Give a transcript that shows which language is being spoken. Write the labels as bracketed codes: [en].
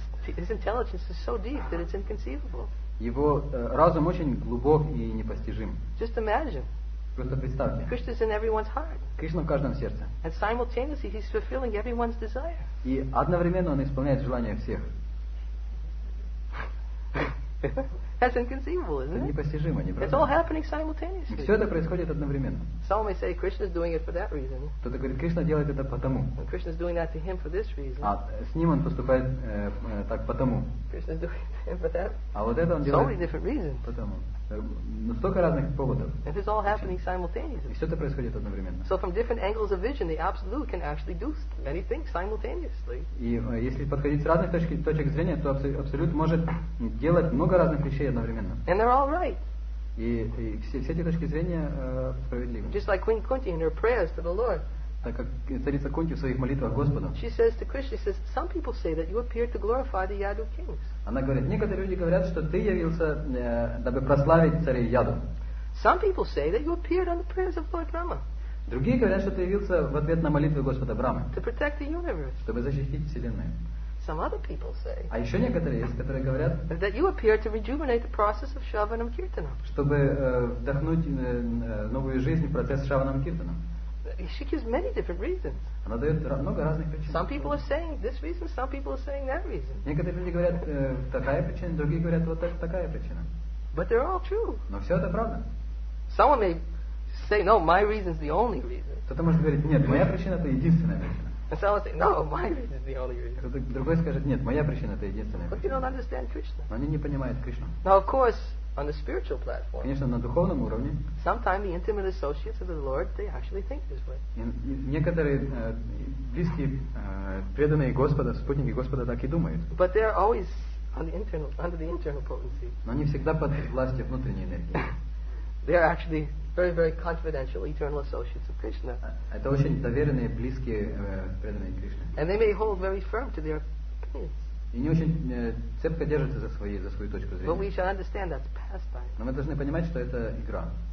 [en] His intelligence is so deep that it's inconceivable. [ru] Его разум очень глубок и непостижим. [en] Just imagine. [ru] Просто представьте. [en] Krishna's in everyone's heart. [ru] Кришна в каждом сердце. [en] And simultaneously he's fulfilling everyone's desire. [ru] И одновременно он исполняет желания всех. [en] That's inconceivable, isn't it? [ru] Непостижимо, не правда? [en] It's all happening simultaneously. [ru] И все это происходит одновременно. [en] Some may say Krishna's doing it for that reason. [ru] Кто-то говорит, Кришна делает это потому. [en] And Krishna's doing that to him for this reason. [ru] А с ним он поступает так потому. [en] Krishna's doing it for that. [ru] А вот это он делает. [en] So many different reasons. [ru] Потому. Столько разных поводов. [en] And it's all happening simultaneously. [ru] И все это происходит одновременно. [en] So from different angles of vision, the absolute can actually do many things simultaneously. [ru] И если подходить с разных точек зрения, то абсолют может делать много разных вещей одновременно. [en] And they're all right. [ru] И все эти точки зрения справедливы. [en] Just like Queen Kunti in her prayers to the Lord. [ru] Так как царица Кунти в своих молитвах Господу. [en] She says to Krishna, she says, some people say that you appear to glorify the Yadu kings. [ru] Она говорит, некоторые люди говорят, что ты явился, дабы прославить царей Яду. [en] Some people say that you appeared on the prayers of Lord Brahma. [ru] Другие говорят, что ты явился в ответ на молитвы Господа Брамы. [en] To protect the universe. [ru] Чтобы защитить вселенную. [en] Some other people say. [ru] А еще некоторые есть, которые говорят. [en] That you appear to rejuvenate the process of Shravanam Kirtanam. [ru] Чтобы вдохнуть новую жизнь в процесс Shravanam Kirtanam. [en] She gives many different reasons. [ru] Она дает много разных причин. [en] Some people are saying this reason, some people are saying that reason. [ru] Некоторые люди говорят такая причина, другие говорят вот такая причина. [en] But they're all true. [ru] Но все это правда. [en] Someone may say, no, my reason is the only reason. [ru] Кто-то может говорить, нет, моя причина это единственная причина. [en] And someone say, no, my reason is the only reason. [ru] Кто-то другой скажет, нет, моя причина это единственная причина. [en] But you don't understand Krishna. [ru] Но они не понимают Кришну. [en] Now, of course, on the spiritual platform. [ru] Конечно, на духовном уровне. [en] Sometimes the intimate associates of the Lord, they actually think this way. [ru] Некоторые близкие преданные Господа, спутники Господа так и думают. [en] But they are always under the internal potency. [ru] Но они всегда под властью внутренней энергии. [en] They are actually very, very confidential eternal associates of Krishna. [ru] Это очень доверенные, близкие преданные Кришне. [en] And they may hold very firm to their opinions. [ru] И не очень цепко держится за свою точку зрения. [en] But we should understand that's pastime. [ru] Но мы должны понимать, что это игра.